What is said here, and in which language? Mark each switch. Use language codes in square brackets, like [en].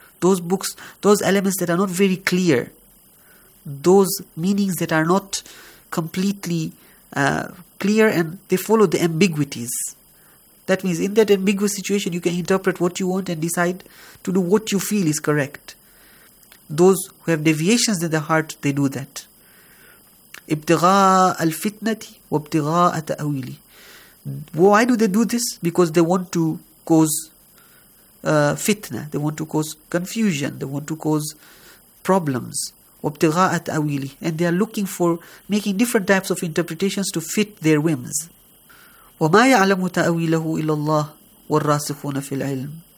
[en] Those books, those elements that are not very clear, those meanings that are not completely clear, and they follow the ambiguities. That means in that ambiguous situation, you can interpret what you want and decide to do what you feel is correct. Those who have deviations in their heart, they do that. [ar] ابتغاء الفتنة وابتغاء التأويل. [en] Why do they do this? Because they want to cause fitna, they want to cause confusion, they want to cause problems. [ar] وَابْتِغَاءَتْ أَوِيلِ. [en] And they are looking for making different types of interpretations to fit their whims. [ar] وَمَا يَعْلَمُ تَأَوِيلَهُ إِلَّا اللَّهُ وَالرَّاسِخُونَ فِي الْعِلْمِ.